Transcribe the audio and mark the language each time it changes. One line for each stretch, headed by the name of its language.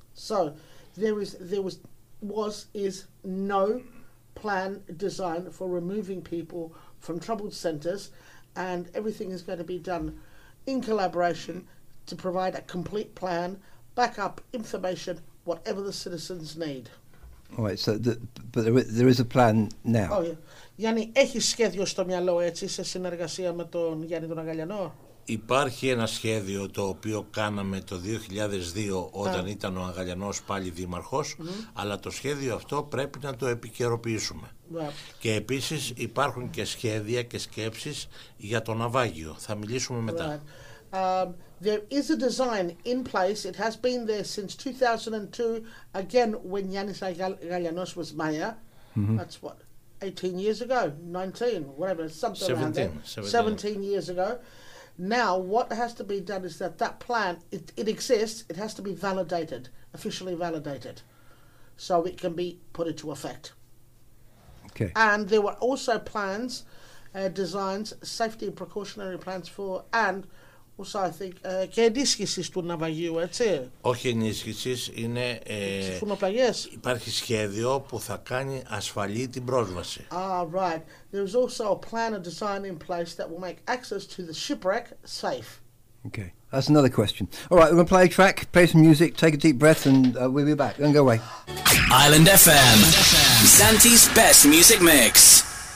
English: So there was no plan designed for removing people from troubled centres, and everything is going to be done in collaboration to provide a complete plan, backup information, whatever the citizens need. All right, but there is a plan now. Oh, yeah.
Greek: Γιάννη, έχεις σχέδιο στο μυαλό, έτσι, σε συνεργασία με τον Γιάννη τον Αγκαλιανό? Υπάρχει ένα σχέδιο το οποίο κάναμε το 2002 όταν ήταν ο Αγκαλιανός πάλι δήμαρχος, mm-hmm. αλλά το σχέδιο αυτό πρέπει να το επικαιροποιήσουμε. Yeah. Και επίσης υπάρχουν και σχέδια και σκέψεις για το ναυάγιο. Θα μιλήσουμε μετά.
English: There is a design in place. It has been there since 2002, again, when Yanis Agalianos was mayor. Mm-hmm. That's what, 18 years ago? 19, whatever, something 17, around there. 17 years ago. Now, what has to be done is that plan, it exists, it has to be validated, officially validated, so it can be put into effect. Okay. And there were also plans, designs, safety and precautionary plans for, and also, I think,
Greek: και ενίσχυσης του ναυαγίου, έτσι. Όχι ενίσχυσης, είναι... Φουνοπλαγιές. Υπάρχει σχέδιο που θα κάνει ασφαλή την πρόσβαση.
English: Ah, right. There is also a plan and design in place that will make access to the shipwreck safe. Okay, that's another question. All right, we're going to play a track, play some music, take a deep breath, and we'll be back. Don't go away. Island FM. Santi's best music mix.